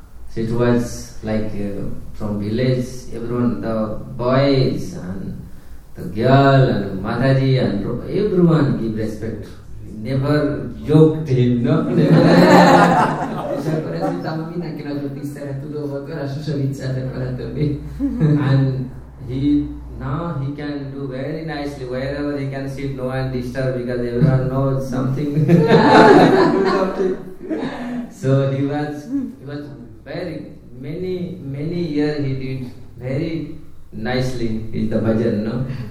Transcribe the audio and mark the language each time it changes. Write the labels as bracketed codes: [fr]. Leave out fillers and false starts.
[en] So it was like from village, everyone, the boys and the girl and Mataji and everyone give respect. Never joked him, no? Never. [hu] És akkor ezután mindenki nagyon tisztelet tudó volt, arra sose vicceltek vele többé. [en] And he, now he can do very nicely, wherever he can sit, no one disturb, because everyone knows something. So he was very, many, many years he did very nicely is the bhajan, no?